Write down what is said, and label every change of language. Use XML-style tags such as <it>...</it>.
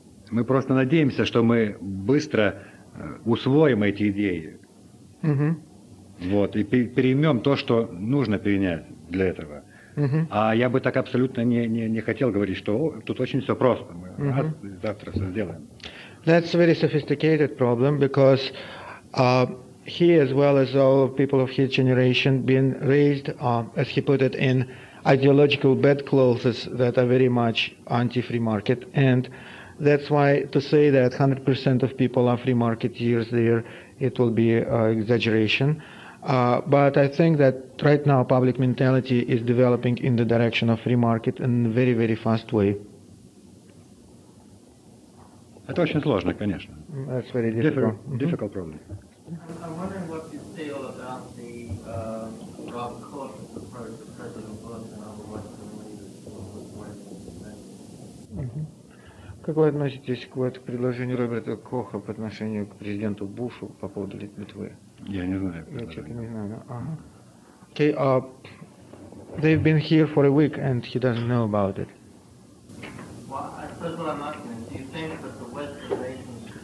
<ru>Мы просто надеемся, что мы быстро усвоим эти идеи. Вот, и переймем то, что нужно перенять для этого. А я бы так абсолютно не хотел говорить, что тут очень все просто. Мы завтра все сделаем.</ru> <en>That's a very sophisticated problem because he, as well as all people of his generation, been raised, as he put it, in ideological bedclothes that are very much anti-free market. And that's why to say that 100% of people are free marketeers there, it will be an exaggeration. But I think that right now public mentality is developing in the direction of free market in a very, very fast way.</en> <ru>Это очень сложно, конечно.</ru> <en>That's very difficult. Difficult problem. I'm wondering what you feel about the Rob Cook approach of President Bush and other Western leaders.</en> <ru>Как вы относитесь к предложению Роберта Коха по отношению к президенту Бушу по поводу Литвы? Я не знаю. Я что-то не знаю.</ru> <en>Okay, they've been here for a week and he doesn't know about it. Well, I suppose what I'm asking is, do you think that</en>